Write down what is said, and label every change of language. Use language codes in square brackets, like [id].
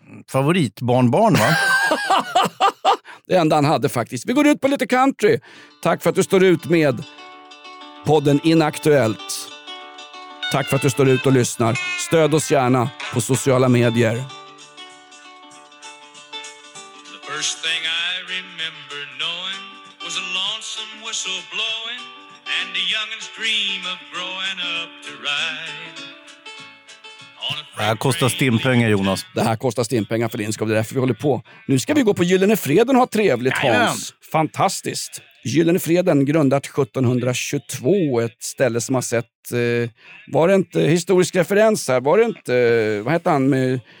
[sv] favoritbarnbarn, va? Det enda han hade faktiskt. Vi går ut på lite country. Tack för att du står ut med podden Inaktuellt. Tack för att du står ut och lyssnar. Stöd oss gärna på sociala medier. [en] The first thing I remember knowing was a lonesome whistle blowing and a youngin's dream of growing up to ride. [sv] Det här kostar stimpengar, Jonas. Det här kostar stimpengar för din skap. Det är därför vi håller på. Nu ska vi gå på Gyllene Freden och ha trevligt, Hans. Jajamän. Fantastiskt. Gyllene Freden, grundat 1722. Ett ställe som har sett... var det inte historisk referens här? Var det inte... vad heter han?